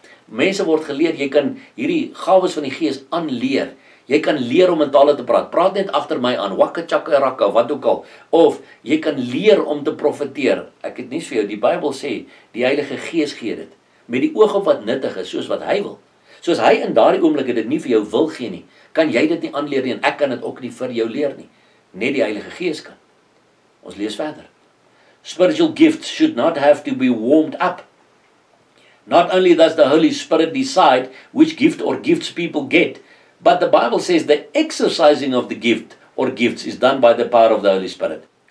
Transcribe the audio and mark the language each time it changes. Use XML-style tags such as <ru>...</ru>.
<af>Mense word geleer, jy kan hierdie gawes van die gees aanleer. Jy kan leer om in tale te praat. Praat net achter my aan, wakke tjakke rakke, wat ook al. Of, jy kan leer om te profeteer. Ek het niks vir jou, die Bybel sê, die Heilige Gees gee dit, met die oog op wat nuttig is, soos wat hy wil. Soos hy in daardie oomblik dit nie vir jou wil gee nie, kan jy dit nie aanleer nie, en ek kan dit ook nie vir jou leer nie. Net die Heilige Gees kan. Ons lees verder.</af> <en>Spiritual gifts should not have to be warmed up. Not only does the Holy Spirit decide which gift or gifts people get, But the Bible says the exercising of the gift or gifts is done by the power of the Holy Spirit.</en>